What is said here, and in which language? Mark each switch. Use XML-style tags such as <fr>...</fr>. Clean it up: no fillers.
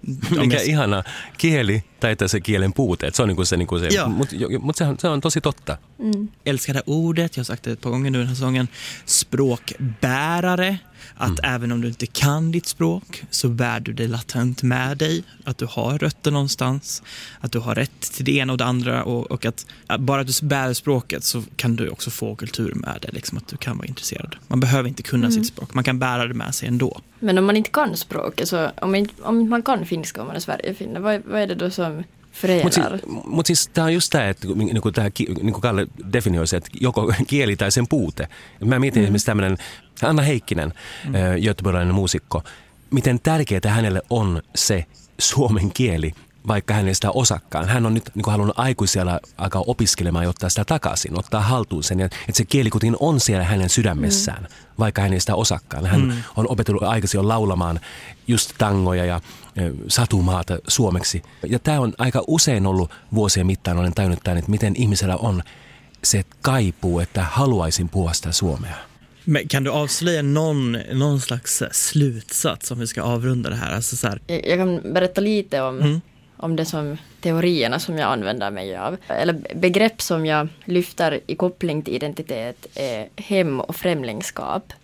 <fi>Mikä ihana kieli, tai että se kielen puute. Se on niin kuin se, mutta se on tosi totta.</fi> <sv>Älskade ordet, jag har sagt det ett par gånger nu i den här sången. Språkbärare, att även om du inte kan ditt språk så bär du det latent med dig. Att du har rötter någonstans, att du har rätt till det ena och det andra. Och att bara att du bär språket så kan du också få kultur med dig, liksom, att du kan vara intresserad. Man behöver inte kunna sitt språk, man kan bära det med sig ändå. Men om man inte kan språket, så om man kan finska och man är sverigefinne, vad är det då som...</sv> <fi>Mutta siis tämä on just tämä, että niinku Kalle definioi se, että joko kieli tai sen puute. Mä mietin esimerkiksi tämmöinen Anna Heikkinen, göteborgilainen muusikko. Miten tärkeää hänelle on se suomen kieli, vaikka hän ei sitä osakkaan. Hän on nyt niinku halunnut aikuisella alkaa opiskelemaan ja ottaa sitä takaisin, ottaa haltuun sen. Että se kieli kuitenkin on siellä hänen sydämessään, vaikka hän ei sitä osakkaan. Hän on opetellut aikaisin laulamaan just tangoja ja satumaata suomeksi. Ja tämä on aika usein ollut vuosien mittaan, olen tajunnut tämän, että miten ihmisellä on se, että kaipuu, että haluaisin puhua sitä suomea.</fi> <sv>Men kan du avslöja någon slags slutsats om vi ska avrunda det här? Alltså så här. Jag kan berätta lite om det som teorierna som jag använder mig av. Eller begrepp som jag lyfter i koppling till identitet är hem och främlingskap.</sv>